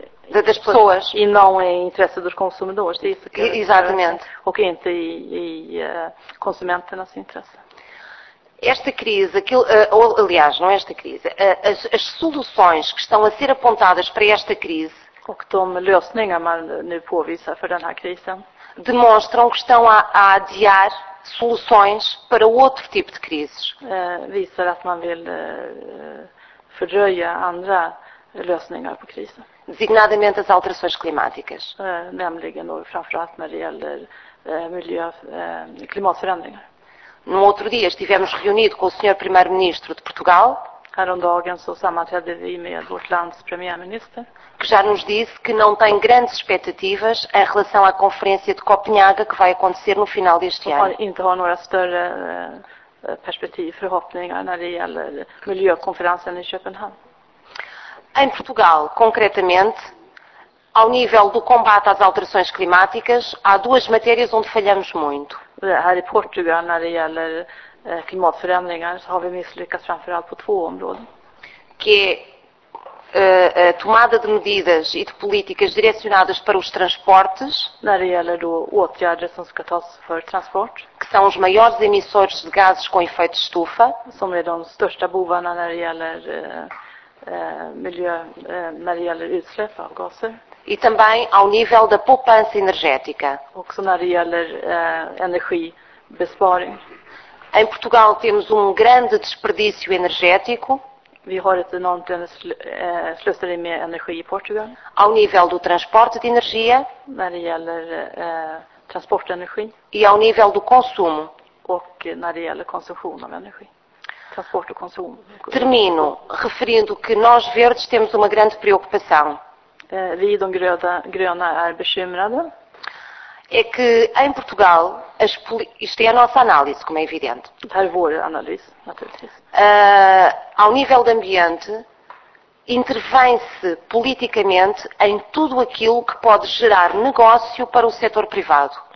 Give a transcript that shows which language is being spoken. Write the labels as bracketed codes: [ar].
[pt] das pessoas e não em interesse dos consumidores. Exatamente. Ou que entra e consumenternas interesse. Esta crise, as soluções que estão a ser apontadas para esta crise, [sv] och de lösningar man nu påvisar för den här krisen, [pt] demonstram que estão a adiar soluções para outro tipo de crises. [sv] Visar att man vill fördröja andra lösningar på krisen. [pt] Designadamente as alterações climáticas. [sv] Nämligen och framförallt när det gäller miljö, klimatförändringar. [pt] No outro dia estivemos reunido com o Sr. Primeiro-Ministro de Portugal. [sv] Häromdagen så sammanträdde vi med vårt lands premiärminister. [pt] Que já nos disse que não tem grandes expectativas em relação à conferência de Copenhaga que vai acontecer no final deste ano. [sv] Inte har några större perspektiv, förhoppningar när det gäller miljökonferensen i Köpenhamn. [pt] Em Portugal, concretamente, ao nível do combate às alterações climáticas, há 2 matérias onde falhamos muito. [sv] Här i Portugal när det gäller klimatförändringar så har vi misslyckats framförallt på 2 områden. [pt] Que a tomada de medidas e de políticas direcionadas para os transportes, [sv] när det gäller då åtgärder som ska tas för transport, [pt] que são os maiores emissores de gases com efeito de estufa, [sv] som är de största bovarna när det gäller miljö när det gäller utsläpp av gaser. [pt] E também ao nível da poupança energética. [sv] Också när det gäller energibesparing. [pt] Em Portugal temos grande desperdício energético. [sv] Vi har ett enormt slöseri med energi i Portugal. [pt] Ao nível do transporte de energia. [sv] När det gäller transportenergi. [pt] E ao nível do consumo. [sv] Och när det gäller konsumtion av energi. Transport och konsum. [pt] Termino referindo que nós verdes temos grande preocupação. [sv] Vi de gröna är bekymrade. [pt] É que em Portugal, isto é a nossa análise, como é evidente. [sv] Per vår analys, naturligtvis. [pt] Ao nível do ambiente, intervém-se politicamente em tudo aquilo que pode gerar negócio para o setor privado.